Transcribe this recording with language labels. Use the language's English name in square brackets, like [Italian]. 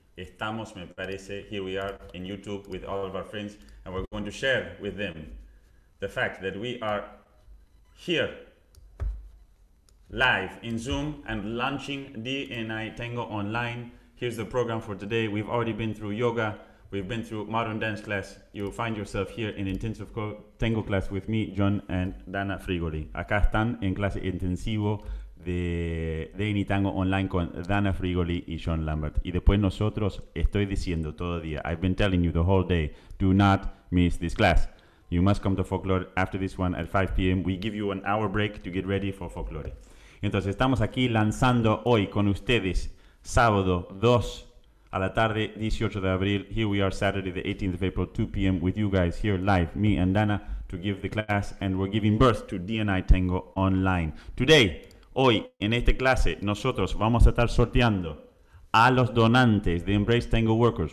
[Spanish] Estamos, me parece, [English] here we are in YouTube with all of our friends, and we're going to share with them the fact that we are here live in Zoom and launching DNI Tango Online. Here's the program for today. We've already been through yoga, we've been through modern dance class. You'll find yourself here in intensive tango class with me, John, and Dana Frigoli. [Spanish] Acá están en clase intensivo de DNI Tango Online con Dana Frigoli y John Lambert. Y después nosotros, estoy diciendo todo el día, [English] I've been telling you the whole day, do not miss this class. You must come to Folklore after this one at 5 p.m. We give you an hour break to get ready for Folklore. [Spanish] Entonces, estamos aquí lanzando hoy con ustedes, sábado 2 a la tarde, 18 de abril. [English] Here we are Saturday, the 18th of April, 2 p.m. with you guys here live, me and Dana, to give the class, and we're giving birth to DNI Tango Online. Today, [Spanish] hoy, en esta clase, nosotros vamos a estar sorteando a los donantes de Embrace Tango Workers.